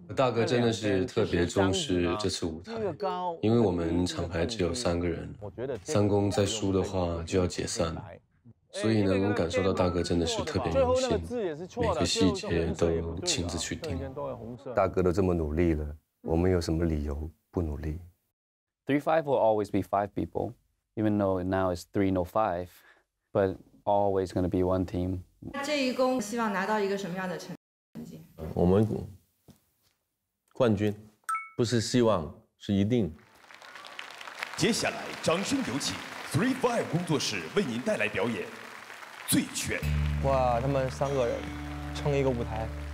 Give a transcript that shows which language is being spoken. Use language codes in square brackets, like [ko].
[zh] 大哥真的是特别重视这次舞台，因为我们厂牌只有三个人，我觉得三公再输的话就要解散。所以呢，我感受到大哥真的是特别用心，每个细节都亲自去盯。大哥都这么努力了，我们有什么理由不努力 [en] ？3-5 will always be five people, even though now it's 3-0-5, but always gonna be one team. [zh] 这一公希望拿到一个什么样的成绩？我们冠军，不是希望，是一定。接下来，掌声有请。 3-5 工作室为您带来表演《醉拳》。哇，他们三个人撑一个舞台。